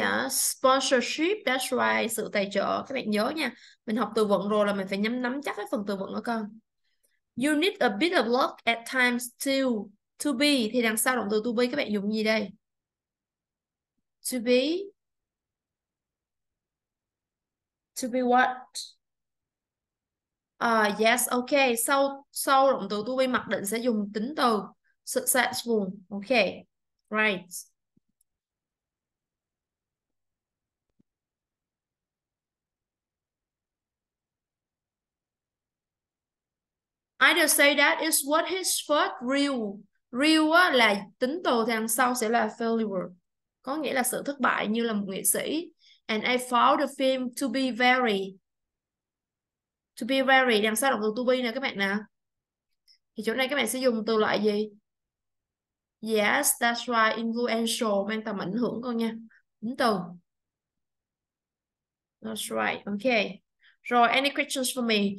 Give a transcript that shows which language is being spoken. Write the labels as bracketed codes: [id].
[en] Sponsorship, that's right, [vi] sự tài trợ. Các bạn nhớ nha, mình học từ vựng rồi là mình phải nắm chắc cái phần từ vựng đó con. [en] You need a bit of luck at times to be. [vi] Thì đằng sau động từ to be các bạn dùng gì đây? [en] To be what? Yes, okay. [vi] Sau sau động từ to be mặc định sẽ dùng tính từ successful. [en] Okay, right. I just say that is what his first real. [vi] Real là tính từ thì đằng sau sẽ là failure. Có nghĩa là sự thất bại như là một nghệ sĩ. [en] And I found the film to be very. To be very. [vi] Đằng sau động từ to be nè các bạn nè. Thì chỗ này các bạn sẽ dùng từ loại gì? [en] Yes, that's right. [vi] Influential. Mang tầm ảnh hưởng con nha. Tính từ. [en] That's right. Okay. Rồi, any questions for me?